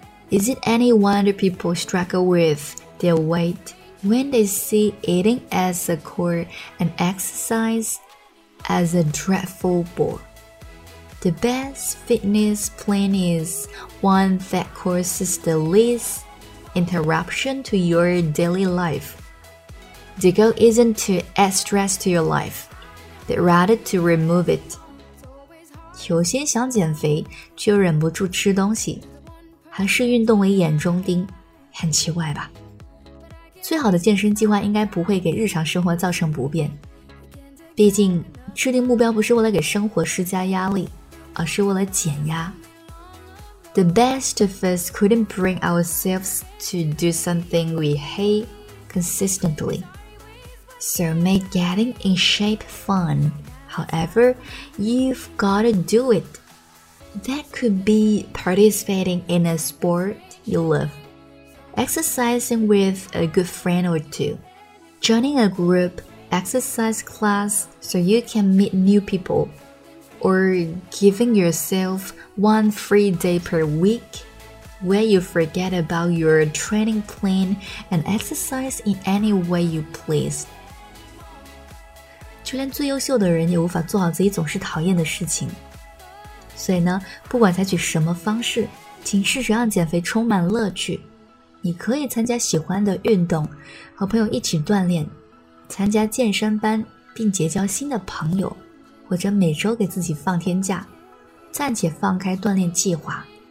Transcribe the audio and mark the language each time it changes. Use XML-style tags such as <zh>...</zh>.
<en>Is it any wonder people struggle with their weight when they see eating as a core and exercise as a dreadful bore? The best fitness plan is one that causes the least interruption to your daily life. The goal isn't to add stress to your life, but rather to remove it.</en> <zh>首先想减肥，却又忍不住吃东西。还视运动为眼中钉，很奇怪吧？最好的健身计划应该不会给日常生活造成不便。毕竟，制定目标不是为了给生活施加压力，而是为了减压。</zh> <en>The best of us couldn't bring ourselves to do something we hate consistently. So make getting in shape fun. However, you've got to do it. That could be participating in a sport you love, exercising with a good friend or two, joining a group exercise class so you can meet new people, or giving yourself one free day per week where you forget about your training plan and exercise in any way you please.</en> <zh>就连最优秀的人也无法做好自己总是讨厌的事情。所以呢，不管采取什么方式，请试着让减肥充满乐趣。你可以参加喜欢的运动，和朋友一起锻炼，参加健身班，并结交新的朋友，或者每周给自己放天假，暂且放开锻炼计划。</zh>